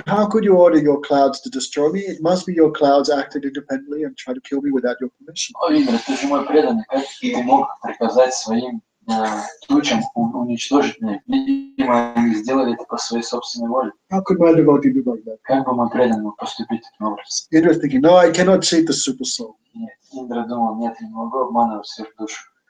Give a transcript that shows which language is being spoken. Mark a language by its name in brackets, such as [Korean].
[English] How could you order your clouds to destroy me? It must be your clouds acted independently and tried to kill me without your permission. [Russian] Oh, Indra, ты же мой преданный. Как ты мог приказать своим тучам уничтожить меня? Видимо, они сделали это по своей собственной воле. [English] How could my devotee be like that? [Russian] Как бы мой преданный мог поступить таким образом? [English] Indra thinking, no, I cannot cheat the super soul. [Russian] Нет, Индра думал, нет, я не могу обманывать всех душ.